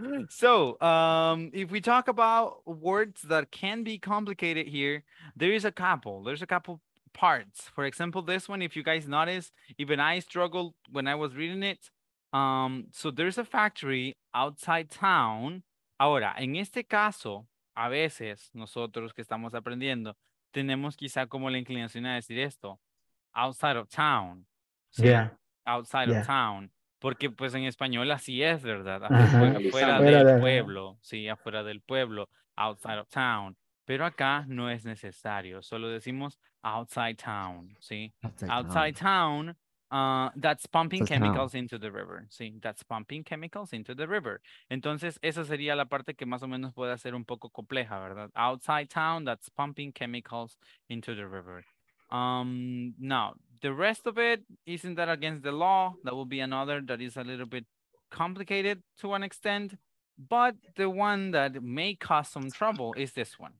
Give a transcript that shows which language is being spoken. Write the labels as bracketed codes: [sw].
[en] So, if we talk about words that can be complicated here, there is a couple. There's a couple parts. For example, this one, if you guys notice, even I struggled when I was reading it. So there's a factory outside town. [es] Ahora, en este caso, a veces, nosotros que estamos aprendiendo, tenemos quizá como la inclinación a decir esto, [en] outside of town. So, yeah. Outside of town. [es] Porque pues en español así es, ¿verdad? Afuera del pueblo. Sí, afuera del pueblo. [en] Outside of town. [es] Pero acá no es necesario. Solo decimos [en] outside town, [es] ¿sí? [en] Outside town, that's pumping chemicals into the river. [es] Sí, [en] that's pumping chemicals into the river. [es] Entonces, esa sería la parte que más o menos puede ser un poco compleja, ¿verdad? [en] Outside town, that's pumping chemicals into the river. Now, the rest of it, isn't that against the law? That will be another that is a little bit complicated to an extent. But the one that may cause some trouble is this one.